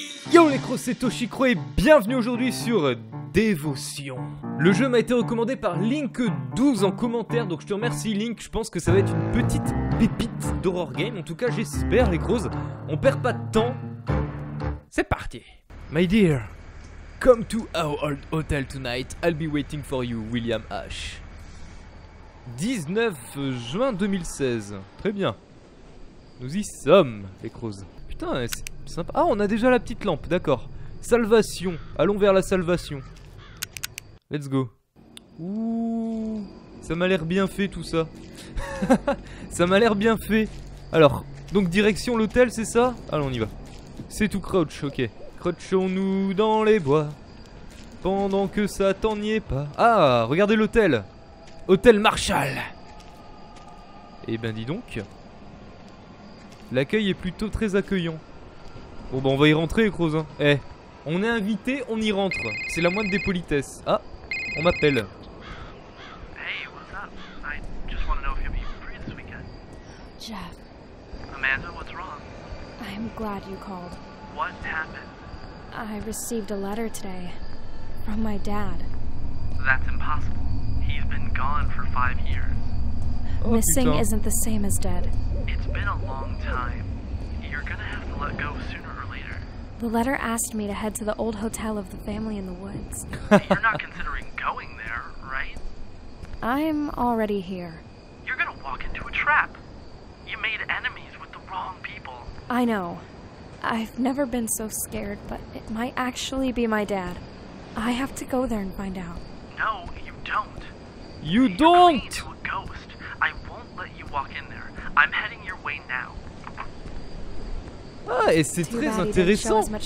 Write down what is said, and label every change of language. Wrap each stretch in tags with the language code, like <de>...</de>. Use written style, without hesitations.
<fr>Yo, les Crozes, c'est Toshikro et bienvenue aujourd'hui sur Dévotion. Le jeu m'a été recommandé par Link12 en commentaire, donc je te remercie Link, je pense que ça va être une petite pépite d'horror game. En tout cas, j'espère, les Crozes, on perd pas de temps. C'est parti.</fr> <en>My dear, come to our old hotel tonight. I'll be waiting for you, William H.</en> <fr>19 juin 2016. Très bien. Nous y sommes, les Crozes. Putain, c'est sympa. Ah, on a déjà la petite lampe, d'accord. Salvation. Allons vers la salvation. Let's go. Ouh, ça m'a l'air bien fait tout ça. Ça m'a l'air bien fait. Alors, donc direction l'hôtel, c'est ça? Allons, on y va. C'est tout crouch, ok. Crouchons-nous dans les bois. Pendant que ça t'en y est pas. Ah, regardez l'hôtel. Hôtel Marshall. Eh ben dis donc. L'accueil est plutôt très accueillant. Bon bah on va y rentrer, Crozes. Hein. Eh, on est invité, on y rentre. C'est la moindre des politesses. Ah, on m'appelle.</fr> <en>Hey, what's up? I just want to know if you'll be free this weekend. Jeff. Amanda, what's wrong? I'm glad you called. What happened? I received a letter today from my dad. That's impossible. He's been gone for 5 years. Oh, missing putain. Isn't the same as dead. It's been a long time. You're gonna have to let go sooner. The letter asked me to head to the old hotel of the family in the woods. You're not considering going there, right? I'm already here. You're gonna walk into a trap. You made enemies with the wrong people. I know. I've never been so scared, but it might actually be my dad. I have to go there and find out. No, you don't. You don't! You're clinging to a ghost. I won't let you walk in there. I'm heading your way now.</en> <fr>Ah, et c'est très intéressant.</fr>